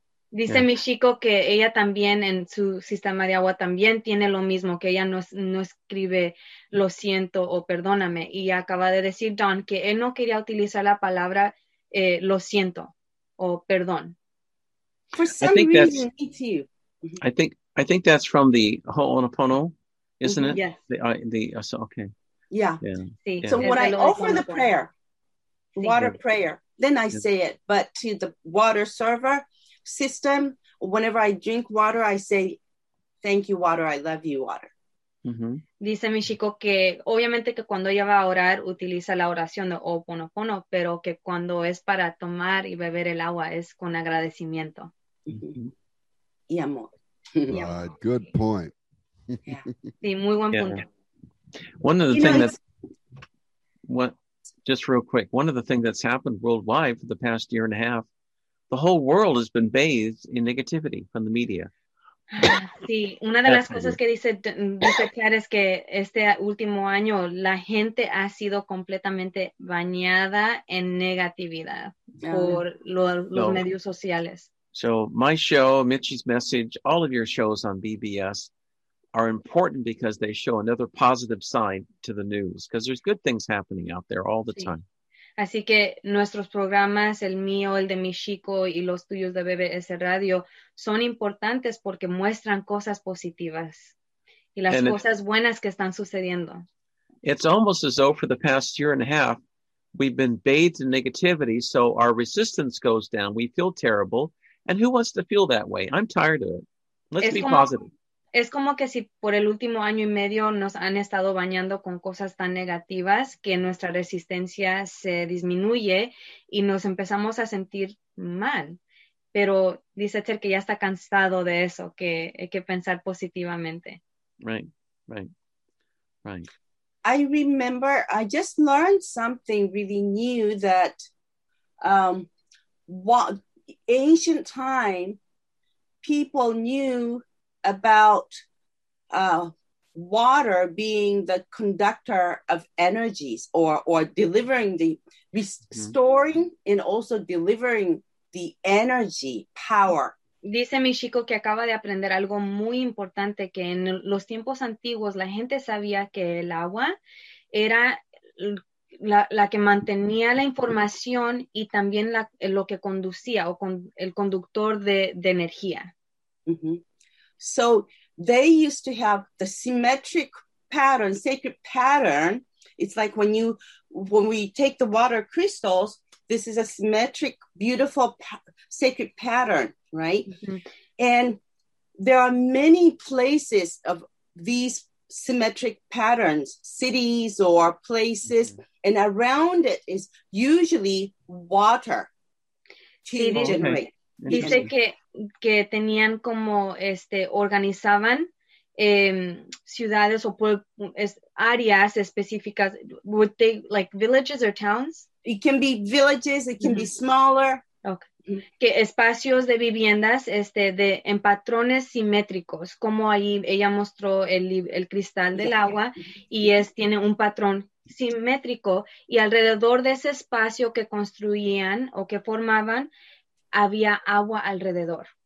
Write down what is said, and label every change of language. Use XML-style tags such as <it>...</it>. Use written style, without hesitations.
<es>Dice mi chico que ella también en su sistema de agua también tiene lo mismo, que ella no escribe lo siento o perdóname. Y acaba de decir Don que él no quería utilizar la palabra lo siento o perdón.</es> <en>For some reason, me too. I think that's from the Ho'oponopono, isn't it? Yes. Okay. Yeah. So when I offer the prayer, water prayer, then I say it. But to the water server system, whenever I drink water, I say, thank you, water. I love you, water. Mm-hmm.</en> <es>Dice mi chico que obviamente que cuando ella va a orar, utiliza la oración de Ho'oponopono, pero que cuando es para tomar y beber el agua, es con agradecimiento. Mm-hmm. Y amor.</es> <en>Good point.</en> <es>Yeah. Sí, muy buen punto.</es> <en>One of the things that's happened worldwide for the past year and a half, the whole world has been bathed in negativity from the media.</en> <es>Sí, una de las cosas que dice Chad es que este último año la gente ha sido completamente bañada en negatividad por los medios sociales.</es> <en>So my show, Mitchie's message, all of your shows on BBS are important because they show another positive side to the news, because there's good things happening out there all the time.</en> <es>Así que nuestros programas, el mío, el de mi chico y los tuyos de BBS Radio, son importantes porque muestran cosas positivas y las cosas buenas que están sucediendo.</es> <en>It's almost as though for the past year and a half, we've been bathed in negativity, so our resistance goes down. We feel terrible. And who wants to feel that way? I'm tired of it. Let's be positive.</en> <es>Es como que si por el último año y medio nos han estado bañando con cosas tan negativas que nuestra resistencia se disminuye y nos empezamos a sentir mal. Pero dice Ter que ya está cansado de eso, que hay que pensar positivamente.</es> <en>Right. I remember, I just learned something really new that what ancient time people knew about water being the conductor of energies or delivering the restoring and also delivering the energy power.</en> <es>Dice mi chico que acaba de aprender algo muy importante, que en los tiempos antiguos la gente sabía que el agua era la que mantenía la información y también lo que conducía o el conductor de energía. Mm-hmm.</es> <en>So they used to have the symmetric pattern, sacred pattern. It's like when we take the water crystals, this is a symmetric, beautiful, sacred pattern, right? Mm-hmm. And there are many places of these symmetric patterns, cities or places, mm-hmm. and around it is usually water to generate.</en> <es>Dice que tenían como organizaban ciudades o áreas específicas.</es> <en>Would they like villages or towns? It can be villages, it can mm-hmm. be smaller. Okay.</en> <es>Que espacios de viviendas en patrones simétricos, como ahí ella mostró el cristal del agua y tiene un patrón simétrico y alrededor de ese espacio que construían o que formaban había agua alrededor.</es>